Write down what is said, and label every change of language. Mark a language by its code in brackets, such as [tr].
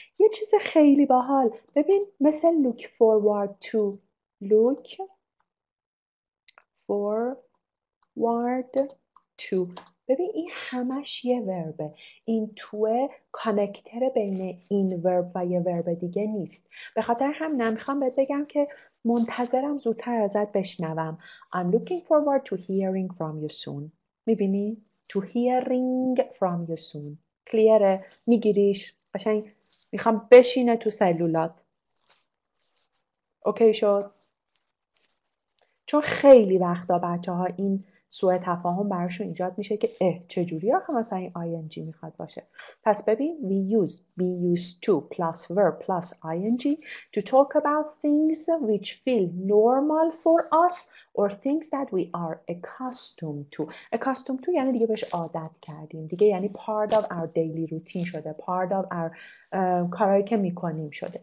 [fa] یه چیز خیلی باحال، ببین مثل [en] look forward to، look for word to. [fa] ببین این همش یه وربه، این توه کانکتر بین این ورب و یه ورب دیگه نیست. به خاطر هم نمیخوام بهت بگم که منتظرم زودتر ازت بشنوم. [en] I'm looking forward to hearing from you soon. [fa] میبینی؟ [en] To hearing from you soon. [fa] کلیره؟ میگیریش؟ قشنگ میخوام بشینه تو سلولات. اوکی شد؟ چون خیلی وقتا بچه ها این سوء تفاهم براشون ایجاد میشه که اه چجوری آخه مثلا این ing میخواد باشه. پس ببین [en] we use be used to plus verb plus ing to talk about things which feel normal for us or things that we are accustomed to. [fa] accustomed to یعنی دیگه بهش عادت کردیم دیگه، یعنی [en] part of our daily routine [fa] شده، [en] part of our [fa] کارهایی که میکنیم شده.